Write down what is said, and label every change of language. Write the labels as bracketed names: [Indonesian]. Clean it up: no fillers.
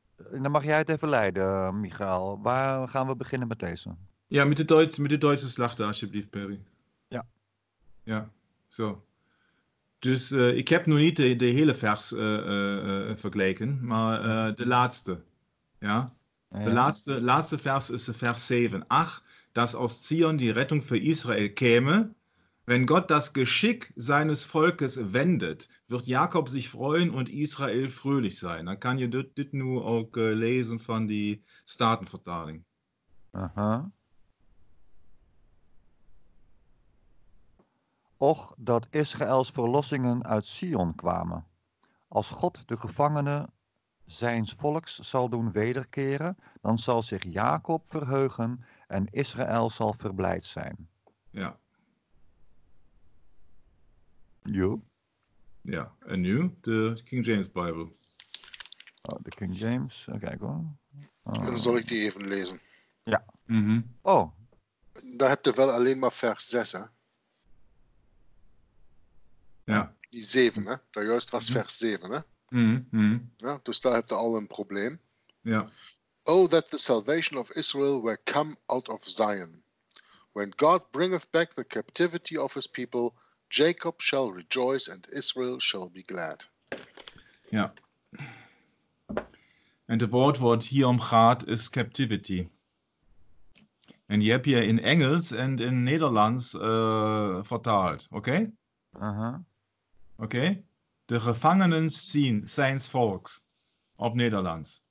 [Dutch] Dan mag jij het even leiden, Michael. Waar gaan we beginnen met deze? Ja, met de Duitse, Slachter, alsjeblieft, Perry. Ja. Ja, zo. Dus ik heb nu niet de hele vers vergelijken, maar de laatste. Ja? De laatste vers is de vers 7. [German] Ach, dass aus Zion die Rettung für Israel käme. Wenn Gott das Geschick seines Volkes wendet, wird Jakob sich freuen und Israel fröhlich sein. Dann kann ihr [Dutch] dit nu [German] auch lesen von die Statenvertaling. Aha. [Dutch] Och dat Israëls verlossingen uit Sion kwamen. Als God de gevangenen zijns volks zal doen wederkeren, dan zal zich Jakob verheugen en Israël zal verblijd zijn. Ja. Jo. Ja, en nu de King James Bible. Oh, de King James, kijk hoor. Dan zal ik die even lezen. Ja. Mm-hmm. Oh. Daar heb je wel alleen maar vers 6, hè? Ja. Die 7, hè? Daar juist was vers 7, hè? Mm-hmm. Ja, dus daar heb je al een probleem. Ja. [English] Oh, that the salvation of Israel were come out of Zion. When God bringeth back the captivity of his people, Jacob shall rejoice and Israel shall be glad. [Dutch] Ja. En de woord wat hier om gaat is captivity. En je hebt je in Engels en in Nederlands vertaald, oké? Uh-huh. Oké? Okay? De gevangenen zien zijns volks op Nederlands.